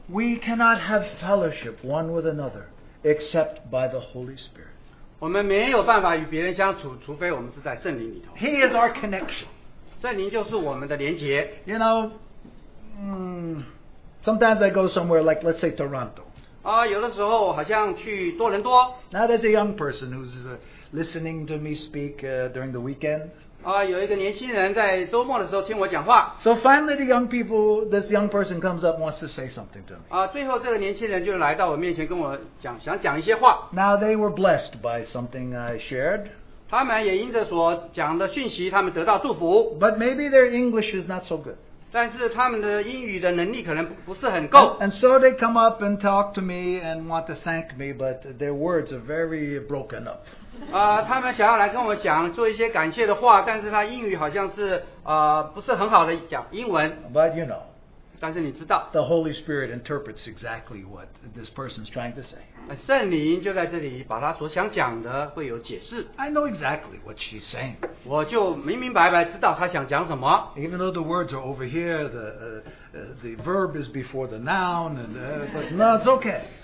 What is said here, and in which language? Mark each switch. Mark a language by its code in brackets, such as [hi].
[en] We cannot have fellowship one with another except by the Holy Spirit. [zh] 我们没有办法与别人相处，除非我们是在圣灵里头。 [en] He is our connection. [zh] 圣灵就是我们的连结。 [en] You know, sometimes I go somewhere like, let's say, Toronto. [zh] 有的时候好像去多伦多。 [en] Not as a young person who's listening to me speak during the weekend. So finally the young people, this young person comes up and wants to say something to me. Now they were blessed by something I shared. But maybe their English is not so good. And so they come up and talk to me and want to thank me, but their words are very broken up. [zh] 他们想要来跟我讲做一些感谢的话 但是他英语好像是 不是很好的讲英文 [en] But you know [zh] 但是你知道 [en] The Holy Spirit interprets exactly what this person is trying to say [zh] 圣灵就在这里把他所想讲的会有解释 [en] I know exactly what she's saying [zh] 我就明明白白知道他想讲什么 [en] Even though the words are over here the verb is before the noun and, but no, it's okay